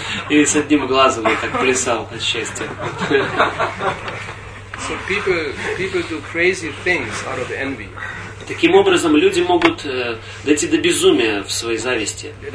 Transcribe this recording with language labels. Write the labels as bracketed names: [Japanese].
[Russian] И с одним глазом он так плясал от счастья. [English] So people do crazy things out of envy. [Russian] Таким образом, люди могут дойти до безумия в своей зависти.